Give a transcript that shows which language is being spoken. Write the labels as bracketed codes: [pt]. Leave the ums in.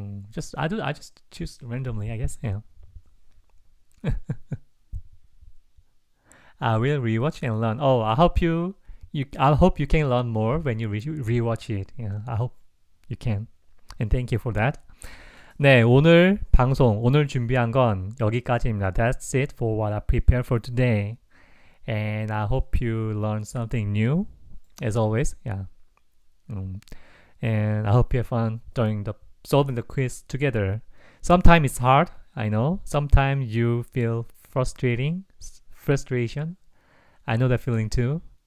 [en] just I do I just choose randomly, I guess. Yeah. I will rewatch and learn. Oh, I hope you you I hope you can learn more when you re rewatch it. Yeah, I hope you can. And thank you for that. [ko] 네, 오늘 방송 오늘 준비한 건 여기까지입니다. [en] That's it for what I prepared for today. And I hope you learn something new as always. Yeah. Mm. and I hope you have fun during the solving the quiz together. Sometimes it's hard, I know. Sometimes you feel frustrating, frustration. I know that feeling too.